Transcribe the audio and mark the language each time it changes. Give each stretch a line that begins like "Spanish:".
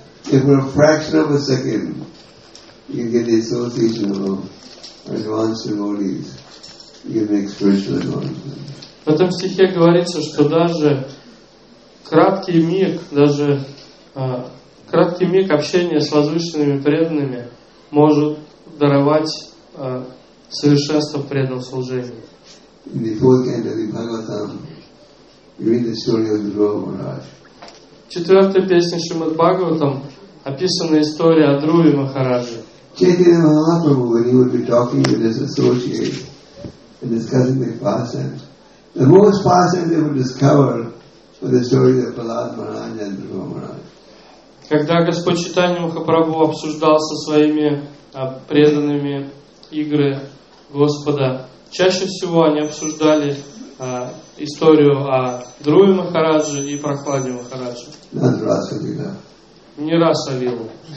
English: If for a fraction of a second you get the association of advanced devotees, you can make spiritual advancement.
Russian: В этом стихе говорится, что даже краткий миг, даже краткий миг общения с возвышенными преданными может даровать совершенство в преданном служении.
English: In the fourth canto of Bhagavatam, you read the story of Dhruva Maharaj.
Russian: В четвертой песне Шримад Бхагаватам описана история о Друве Махарадже.
English: Chaitanya Mahaprabhu, when he would be talking with his associates and discussing their pastimes, the most pastimes they would discover were the stories of Prahlad Maharaj and Dhruva Maharaj.
Russian: Когда Господь Чайтанья Махапрабху обсуждал со своими преданными игры Господа, чаще всего они обсуждали историю о Друве Махарадже и Прахладе Махарадже. Не раз о Вилу.